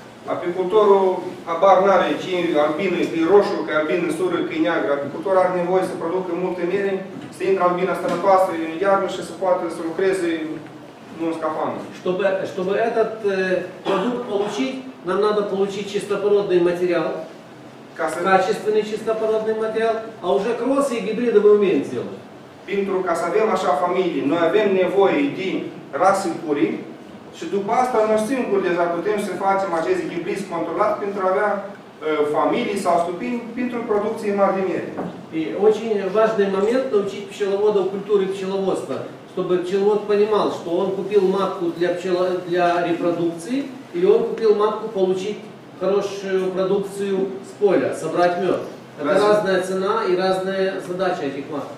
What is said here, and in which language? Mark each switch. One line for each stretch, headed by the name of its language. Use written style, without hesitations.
Romanian: Apicultorul habar n-are ce albină, e roșu, că albină, sură, că e neagră. Apicultorul are nevoie să producă multe miere, să intre albina sănătoasă în iarnă și să poată să lucreze nu în scafandă.
Russian: Чтобы этот продукт получить, нам надо получить чистопородный материал, качественный чистопородный материал, а уже кросы и гибриды мы умеем сделать.
Romanian: Pentru ca să avem așa familie, noi avem nevoie de rase puri, și după asta, noi singuri deja putem să facem acest hibrid controlat pentru a avea familii sau stupini pentru producție mari de miere.
Russian: E очень важный момент научить пчеловода культуре пчеловодства, чтобы пчеловод понимал, что он купил матку для репродукции или он купил матку получить хорошую продукцию с поля, собрать мед. Это разная цена и разная задача этих маток.